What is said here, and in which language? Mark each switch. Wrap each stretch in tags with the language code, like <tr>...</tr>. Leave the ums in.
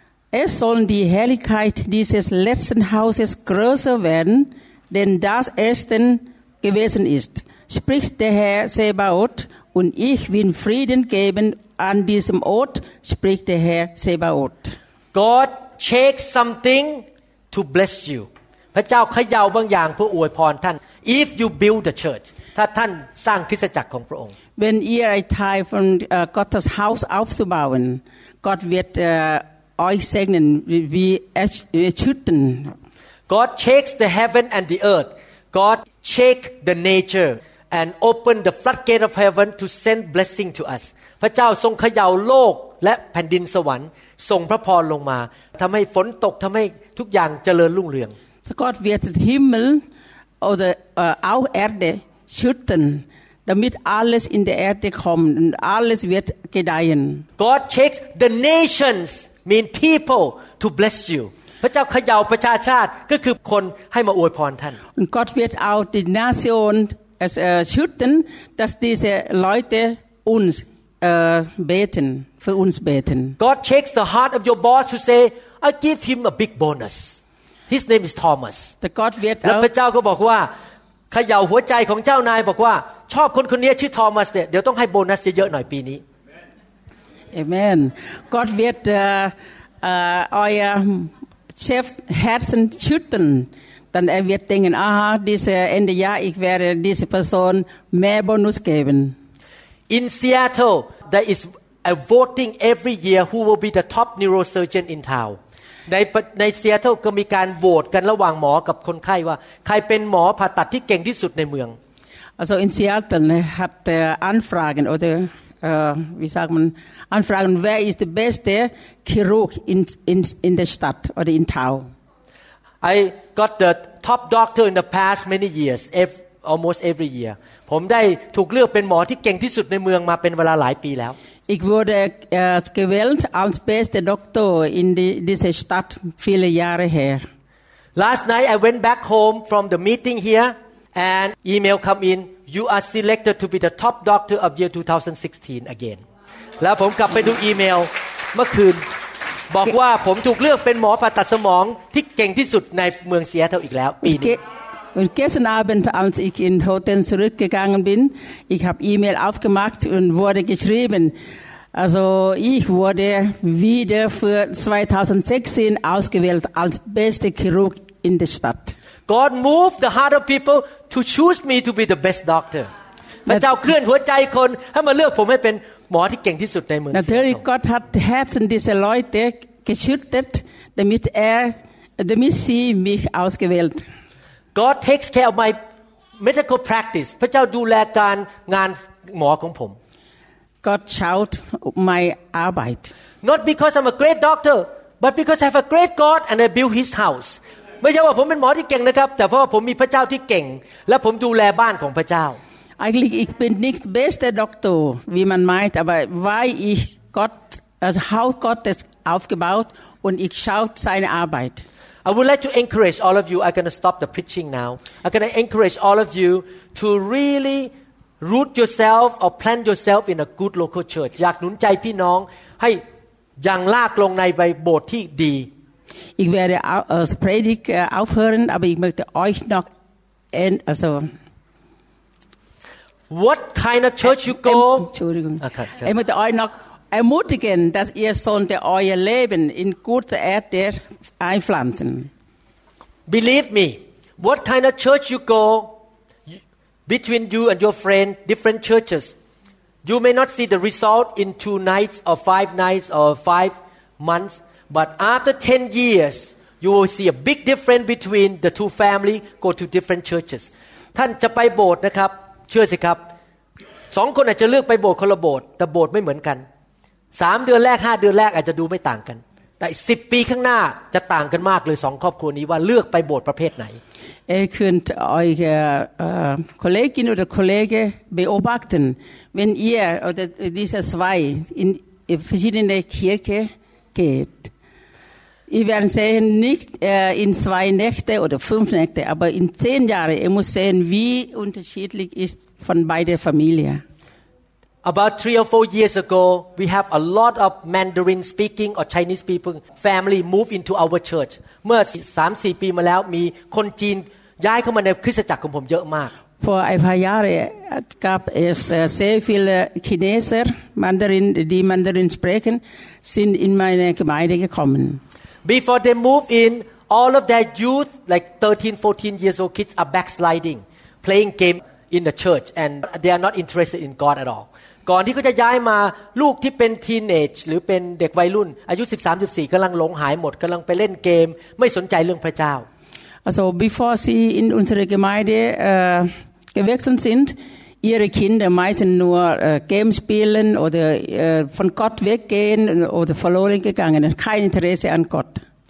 <de>Es soll die Herrlichkeit dieses letzten Hauses größer werden, denn das erste gewesen ist, spricht der Herr Sebaoth, und ich will Frieden geben an diesem Ort, spricht der Herr Sebaoth.</de> <en>God shake something to bless you</en> <th>พระเจ้าเขย่าบางอย่างเพื่ออวยพรท่าน</th> <en>if you build the church</en> <th>ถ้าท่านสร้างคริสตจักรของพระองค์</th> <de>Wenn ihr ein Teil von äh, Gottes Haus aufzubauen, Gott wird äh, euch segnen, wie, wie ersch- erschüttern.</de> <en>God shakes the heaven and the earth. God shake the nature and open the floodgate of heaven to send blessing to us.</en> <th>พระเจ้าทรงเขย่าโลกและแผ่นดินสวรรค์ส่งพระพรลงมาทำให้ฝนตกทำให้ทุกอย่างเจริญรุ่งเรือง</th> <de>So Gott wird den Himmel oder äh, auch Erde schütten, damit alles in der Erde kommt und alles wird gedeihen.</de> <en>God shakes the nations mean people to bless you</en> <th>พระเจ้าเขย่าประชาชาติก็คือคนให้มาอวยพรท่าน</th> <de>Und Gott wird auch die Nation es, äh, schütten, dass diese Leute uns äh, beten, für uns beten.</de> <en>God shakes the heart of your boss to say I give him a big bonus His name is Thomas</en> <de>Der Gott wird</de> <th>แล้ว</th> <de>auch</de> <th>พระเจ้าก็บอกว่าเขย่าหัวใจของเจ้านายบอกว่า ชอบคนคนนี้ชื่อทอมัสเนี่ยเดี๋ยวต้องให้โบนัสเยอะๆหน่อยปีนี้</th> <en>Amen.</en> <de>Gott wird äh, äh, euer Chef Herzen schütten. Dann er wird denken, aha, diese Ende Jahr, ich werde diese Person mehr Bonus geben.</de> <en>In Seattle there is a voting every year who will be the top neurosurgeon in town</en> <th>ในประในเซียเทิลก็มีการโหวตกันระหว่างหมอกับคนไข้ว่า ใครเป็นหมอผ่าตัดที่เก่งที่สุดในเมือง</th> <de>Also in Seattle hat er Anfragen oder äh, wie sagt man, Anfragen, wer ist der beste Chirurg in, in, in der Stadt oder in Tau.</de> <en>I got the top doctor in the past many years ev- almost every year</en> <th>ผมได้ถูกเลือกเป็นหมอที่เก่งที่สุดในเมืองมาเป็นเวลาหลายปีแล้ว</th> <de>Ich wurde äh, gewählt als bester Doktor in die, dieser Stadt viele Jahre her.</de> <en>Last night I went back home from the meeting here and email come in you are selected to be the top doctor of year 2016 again</en> <th>แล้วผมกลับไปดูอีเมลเมื่อคืน บอกว่าผมถูกเลือกเป็นหมอผ่าตัดสมองที่เก่งที่สุดในเมืองเซียเท่าอีกแล้ว ปี</th> <de>Und</de> <th>นี้</th> <de>ge- Und gestern Abend, als ich ins Hotel zurückgegangen bin, ich habe E-Mail aufgemacht und wurde geschrieben, also ich wurde wieder für 2016 ausgewählt als beste Chirurg in der Stadt.</de> <en>God move the heart of people to choose me to be the best doctor</en> <th>พระเจ้าเคลื่อนหัวใจคนให้มาเลือกผมให้เป็นหมอที่เก่งที่สุดในเมืองเซียเท่า</th> <de>Natürlich, Gott hat die Herzen dieser Leute geschüttet, damit er, damit sie mich ausgewählt.</de> <en>God takes care of my medical practice</en> <th>พระเจ้าดูแลการงานหมอของผม</th> <de>Gott schaut um meine Arbeit.</de> <en>not because I'm a great doctor but because I have a great God and I build His house</en> <th>ไม่ใช่ว่าผมเป็นหมอที่เก่งนะครับ แต่เพราะว่าผมมีพระเจ้าที่เก่ง และผมดูแลบ้านของพระเจ้า</th> <de>Eigentlich, ich bin nicht bester Doktor, wie man meint, aber weil ich Gott, das Haus Gottes aufgebaut und ich schaue seine Arbeit.</de> <en>I would like to encourage all of you I'm going to stop the preaching now I'm going to encourage all of you to really root yourself or plant yourself in a good local church</en> <th>อยากหนุนใจพี่น้องให้ยังลากลงในใบโบสถ์ที่ดี</th> <de>Ich werde au- als Predigt äh, aufhören, aber ich möchte euch noch en- also,</de> <en>What kind of church you em- go?</en> <de>Entschuldigung.</de> <en>Okay, sure.</en> <de>ich möchte euch noch ermutigen, dass ihr sollte euer Leben in gute Erde einpflanzen.</de> <en>Believe me. What kind of church you go? you- Between you and your friend, different churches, you may not see the result in two nights or five nights or five months, but after ten years, you will see a big difference between the two family go to different churches.</en> <th>ท่านจะไปโบสถ์นะครับ เชื่อสิครับสองคนอาจจะเลือกไปโบสถ์คนละโบสถ์แต่โบสถ์ไม่เหมือนกัน สามเดือนแรกห้าเดือนแรกอาจจะดูไม่ต่างกัน แต่สิบปีข้างหน้าจะต่างกันมากเลยสองครอบครัวนี้ว่าเลือกไปโบสถ์ประเภทไหน</th> <de>Ihr könnt eure äh, Kollegin oder Kollege beobachten, wenn ihr oder diese zwei in verschiedene Kirche geht. Ihr werdet sehen, nicht äh, in zwei Nächte oder fünf Nächte, aber in zehn Jahren. Ihr müsst sehen, wie unterschiedlich ist von beiden Familien.</de> <en>About three or four years ago, we have a lot of Mandarin speaking or Chinese people family move into our church.</en> <th>เมื่อสามสี่ปีมาแล้วมีคนจีนย้ายเข้ามาในคริสตจักรของผมเยอะมาก</th> <de>Vor ein paar Jahren gab es äh, sehr viele Chineser, Mandarin, die Mandarin sprechen, sind in meine Gemeinde gekommen.</de> <en>Before they move in, all of their youth, like 13, 14 years old kids, are backsliding, playing game in the church, and they are not interested in God at all.</en> <th>ก่อนที่เขาจะย้ายมาลูกที่เป็น teenage หรือเป็นเด็กวัยรุ่น อายุ 13 14กำลังหลงหายหมดกำลังไปเล่นเกม ไม่สนใจเรื่องพระเจ้า</th> <de>Also bevor sie in unsere Gemeinde äh, gewechselt sind, ihre Kinder meistens nur äh, Games spielen oder äh, von Gott weggehen oder verloren gegangen, kein Interesse an Gott.</de>